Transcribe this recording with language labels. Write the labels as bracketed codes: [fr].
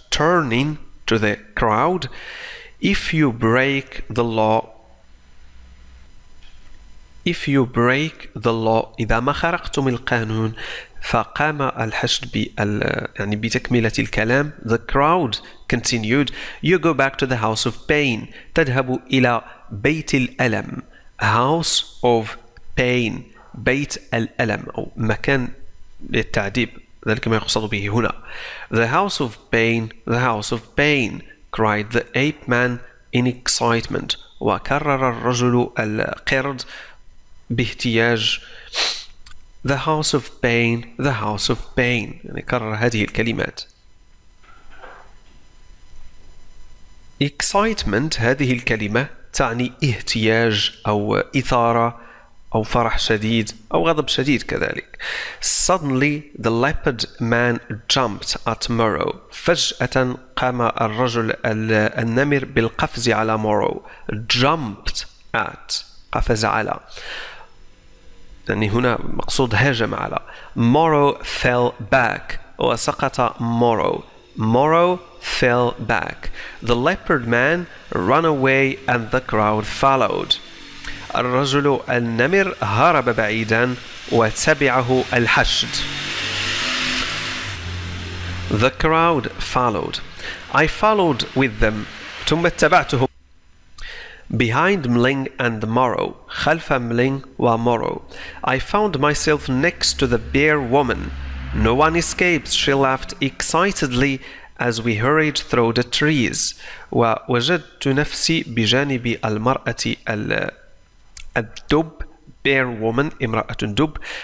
[en] Turning to the crowd, if you break the law, if you break the law, [ar] إذا ما خرقتم القانون, فقام الحشد بال يعني بتكملة الكلام. [en] The crowd continued, you go back to the house of pain, [ar] تذهب إلى بيت الألم. [en] House of pain, [ar] بيت الألم أو مكان للتعذيب, ذلك ما يقصد به هنا. [en] The house of pain, the house of pain, cried the ape man in excitement. [ar] وكرر الرجل القرد باهتياج. [en] The house of pain, the house of pain. [ar] يعني كرر هذه الكلمات. Excitement, هذه الكلمة تعني اهتياج أو إثارة أو فرح شديد أو غضب شديد كذلك. [en] Suddenly the leopard man jumped at Morrow. [ar] فجأة قام الرجل النمر بالقفز على مورو. Jumped at, قفز على, يعني هنا مقصود هاجم على. [en] Morrow fell back, [ar] وسقط مورو. [en] Morrow fell back. The leopard man ran away and the crowd followed. [ar] الرجل النمر هرب بعيدا وتبعه الحشد. [en] The crowd followed. I followed with them. [ar] ثم اتبعتهم. [en] Behind Mling and Morrow. [ar] خلف Mling وMorrow. [en] I found myself next to the bear woman. No one escapes. She laughed excitedly as we hurried through the trees. [ar] ووجدت نفسي بجانب المرأة A dub, [en] bear woman, [ar] امرأة دب.